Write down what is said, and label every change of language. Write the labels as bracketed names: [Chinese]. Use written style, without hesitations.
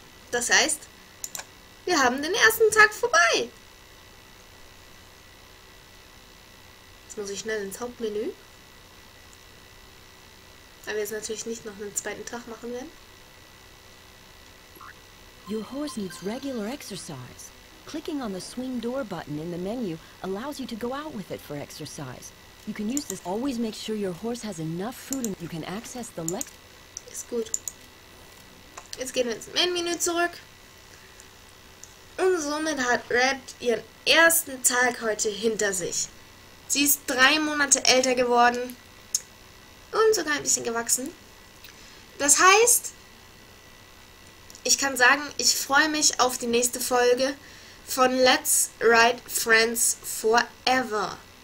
[German] Das heißt, wir haben den ersten Tag vorbei. Jetzt muss ich schnell ins Hauptmenü. Weil wir jetzt natürlich nicht noch einen zweiten Tag machen werden. [English] Your horse needs regular exercise. Clicking on the swing door button in the menu allows you to go out with it for exercise. You can use this. Always make sure your horse has enough food and you can access the le [German] Ist gut. Jetzt gehen wir ins Main-Menü zurück. Und somit hat Red ihren ersten Tag heute hinter sich. Sie ist 3 Monate älter geworden. Und sogar ein bisschen gewachsen. Das heißt, ich kann sagen, ich freue mich auf die nächste Folge von Let's Ride Friends Forever.